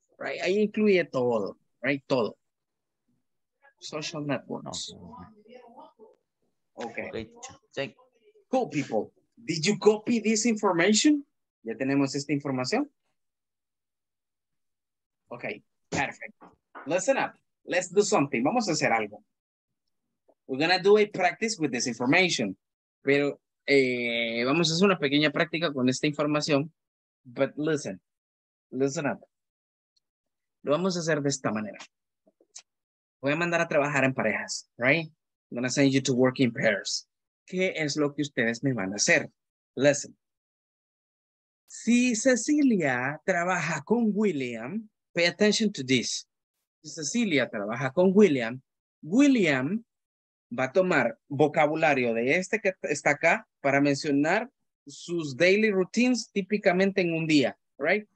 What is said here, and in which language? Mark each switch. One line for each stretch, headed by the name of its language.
English: Right,
Spanish: ahí incluye todo,
English: right, todo. Social networks. Okay. Cool people. Did you copy this information?
Spanish: ¿Ya tenemos esta información?
English: Okay, perfect. Listen up. Let's do something.
Spanish: Vamos a hacer algo.
English: We're going to do a practice with this information.
Spanish: Pero vamos a hacer una pequeña práctica con esta información.
English: But listen. Listen up.
Spanish: Lo vamos a hacer de esta manera. Voy a mandar a trabajar en parejas. Right?
English: I'm going to send you to work in pairs.
Spanish: ¿Qué es lo que ustedes me van a hacer? Listen. Si Cecilia trabaja con William,
English: pay attention to this.
Spanish: Si Cecilia trabaja con William, William va a tomar vocabulario de este que está acá para mencionar sus daily routines típicamente en un día, right?